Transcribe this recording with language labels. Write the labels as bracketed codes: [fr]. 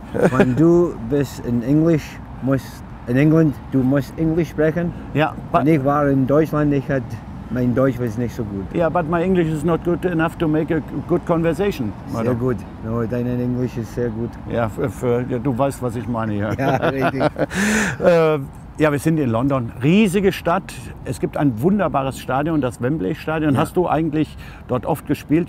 [de] Wenn du bist in Englisch, musst in England, du musst Englisch sprechen. Ja. Yeah, ich war in Deutschland, ich hatte mein Deutsch war nicht so gut. [en] Ja, yeah, but my English is not good enough to make a good conversation. [de] Sehr gut. No, dein Englisch ist sehr gut. Ja, du weißt, was ich meine. Ja, ja, richtig. Ja, wir sind in London. Riesige Stadt. Es gibt ein wunderbares Stadion, das Wembley Stadion. Ja. Hast du eigentlich dort oft gespielt?